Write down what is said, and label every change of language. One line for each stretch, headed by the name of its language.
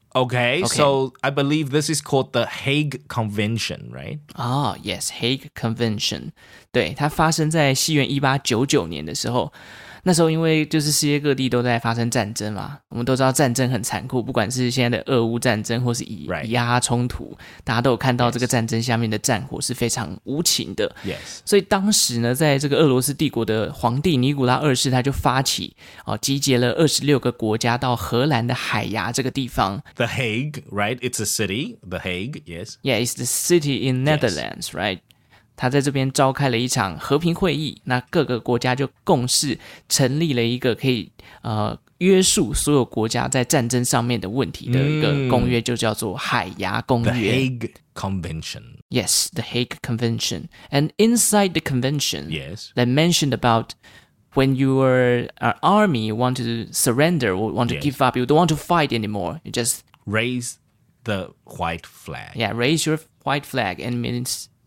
English: So I believe this is called the Hague Convention, right? Oh, yes, Hague Convention.
Chinese: 对,它发生在西元1899年的时候那时候因为就是世界各地都在发生战争嘛，我们都知道战争很残酷，不管是现在的俄乌战争或是以压、
English: right.
Chinese: 冲突，大家都有看到这个战争下面的战火是非常无情的。
English: Yes.
Chinese: 所以当时呢，在这个俄罗斯帝国的皇帝尼古拉二世，他就发起、集结了26个国家到荷兰的海牙这个地方。
English: The Hague, right? It's a city. The Hague, yes. Yeah, it's the city in Netherlands, yes. right?
Chinese: 他在这边召开了一场和平会议，那各个国家就共识成立了一个可以约束所有国家在战争上面的问题的一个公约，就叫做海牙公约。
English: The Hague Convention. Yes, the Hague Convention. And inside the convention, yes, they mentioned about when your army want to surrender or want to、yes. give up, you don't want to fight anymore. You just raise the white flag. Yeah, raise your white flag and means...